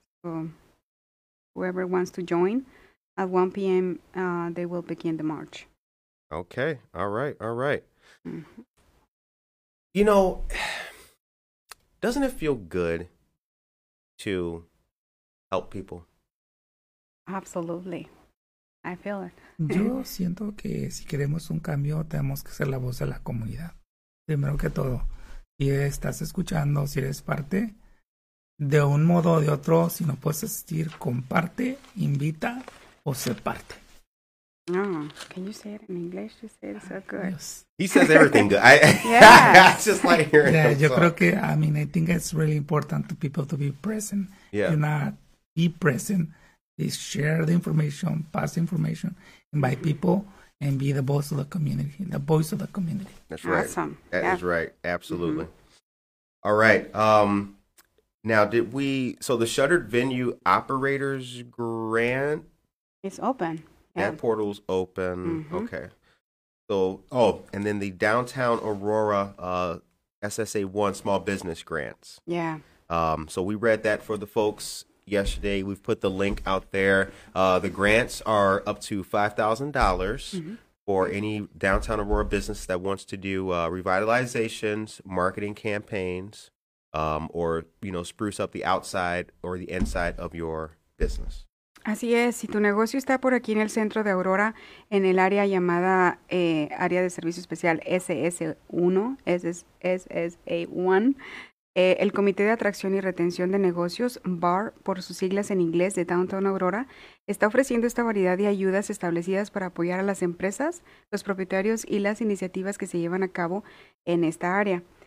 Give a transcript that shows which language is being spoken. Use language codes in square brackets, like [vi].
[en] So whoever wants to join at 1 p.m., they will begin the march. Okay, all right, all right. Mm-hmm. You know, doesn't it feel good to help people? Absolutely. I feel it. [es] Yo siento que si queremos un cambio, tenemos que ser la voz de la comunidad. Primero que todo, si estás escuchando, si eres parte, de un modo o de otro, si no puedes asistir, comparte, invita o sé parte. [en] No, oh, can you say it in English? You say it so good. Yes. He says everything good. I just like hearing yeah, him. [es] Yo creo que, [en] I mean, I think it's really important to people to be present. Yeah. To not be present. Please share the information, pass the information, invite people, and be the voice of the community. The voice of the community. That's right. Awesome. That yeah. is right. Absolutely. Mm-hmm. All right. Now, did we, so the Shuttered Venue Operators Grant? It's open. Yeah. That portal's open. Mm-hmm. Okay. So, oh, and then the Downtown Aurora SSA 1 Small Business Grants. Yeah. So we read that for the folks yesterday. We've put the link out there. The grants are up to $5,000 mm-hmm. for any Downtown Aurora business that wants to do revitalizations, marketing campaigns. Or, you know, spruce up the outside or the inside of your business. [es] Así es. Si tu negocio está por aquí en el centro de Aurora, en el área llamada Área de Servicio Especial SSA1, el Comité de Atracción y Retención de Negocios, BAR, por sus siglas en inglés de Downtown Aurora, está ofreciendo esta variedad de ayudas establecidas para apoyar a las empresas, los propietarios y las iniciativas que se llevan a cabo en esta área.